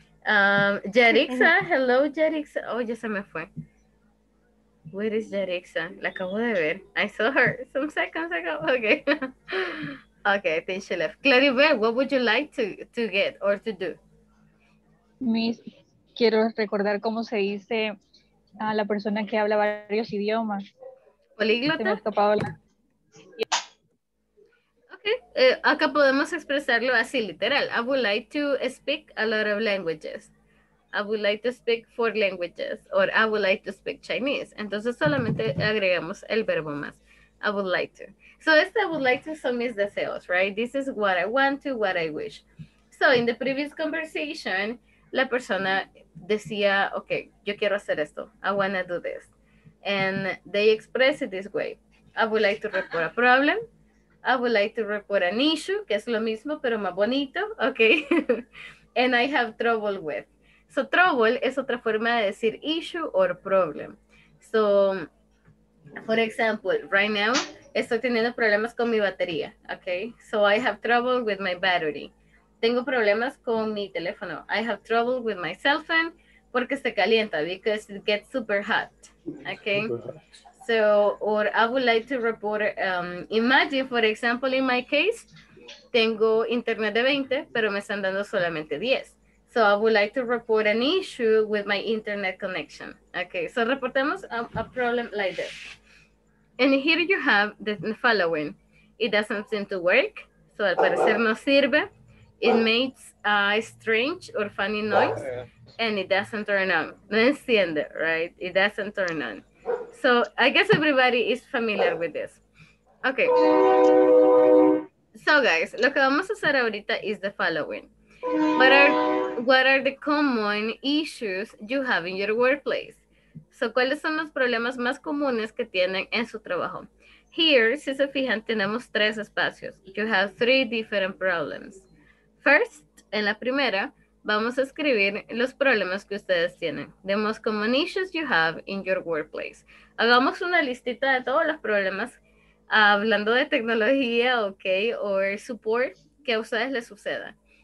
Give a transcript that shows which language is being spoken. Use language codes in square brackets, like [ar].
[es] Jerixa, hello, Jerixa. Oh, ya se me fue. [en] Where is Jerixa? [es] La acabo de ver. [en] I saw her some seconds ago. Okay. Okay, I think she left. Claribel, what would you like to get or to do? Miss. [es] Quiero recordar cómo se dice a la persona que habla varios idiomas. ¿Políglota? Ok, acá podemos expresarlo así, literal. [en] I would like to speak a lot of languages. I would like to speak 4 languages. Or I would like to speak Chinese. [es] Entonces solamente agregamos el verbo más. [en] I would like to. [es] So este [en] I would like to [es] son mis deseos, [en] right? This is what I want to, what I wish. So in the previous conversation, [es] la persona decía, okay, yo quiero hacer esto. [en] I want to do this. And they express it this way. I would like to report a problem. I would like to report an issue, [es] que es lo mismo, pero más bonito, [en] okay? And I have trouble with. [es] So trouble es otra forma de decir issue or problem. [en] So, for example, right now, [es] estoy teniendo problemas con mi batería, okay? [en] So I have trouble with my battery. [es] Tengo problemas con mi teléfono. [en] I have trouble with my cell phone [es] porque se calienta, [en] because it gets super hot, okay? So, or I would like to report, imagine, for example, in my case, [es] tengo internet de 20, pero me están dando solamente 10. [en] So I would like to report an issue with my internet connection. Okay, so [es] reportemos [en] a problem like this. And here you have the following. It doesn't seem to work. So [es] al parecer no sirve. [en] It makes a strange or funny noise. And it doesn't turn on. [es] No enciende, [en] right? It doesn't turn on. So I guess everybody is familiar with this. Okay. So guys, [es] lo que vamos a hacer ahorita [en] is the following. What are the common issues you have in your workplace? [es] So ¿cuáles son los problemas más comunes que tienen en su trabajo? [en] Here, [es] si se fijan, tenemos tres espacios. [en] You have three different problems. [es] First, en la primera, vamos a escribir los problemas que ustedes tienen. [en] The most common issues you have in your workplace. [es] Hagamos una listita de todos los problemas, hablando de tecnología, okay, or support que a ustedes les suceda.